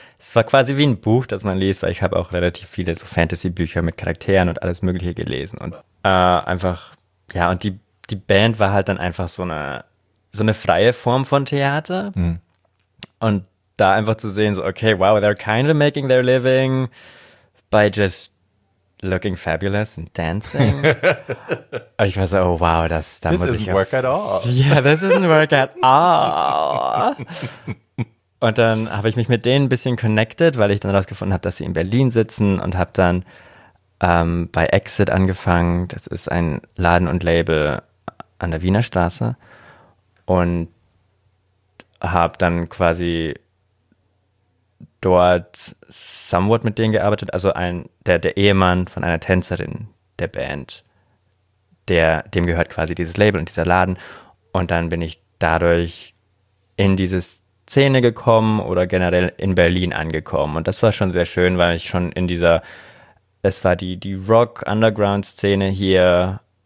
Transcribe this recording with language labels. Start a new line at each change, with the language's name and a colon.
German: Es war quasi wie ein Buch, das man liest, weil ich habe auch relativ viele so Fantasy-Bücher mit Charakteren und alles Mögliche gelesen und einfach, ja, und die Band war halt dann einfach so eine freie Form von Theater und da einfach zu sehen, so, okay, wow,
English: they're kind of making their living by just looking fabulous and dancing.
German: Ich war so, oh, wow, das muss ich
English: This isn't work at all. Yeah, this isn't work at all.
German: Und dann habe ich mich mit denen ein bisschen connected, weil ich dann rausgefunden habe, dass sie in Berlin sitzen und habe dann bei Exit angefangen. Das ist ein Laden und Label an der Wiener Straße. Und habe dann quasi dort somewhat mit denen gearbeitet, also der Ehemann von einer Tänzerin der Band, dem gehört quasi dieses Label und dieser Laden und dann bin ich dadurch in diese Szene gekommen oder generell in Berlin angekommen und das war schon sehr schön, weil ich schon in dieser, es war die Rock-Underground-Szene hier,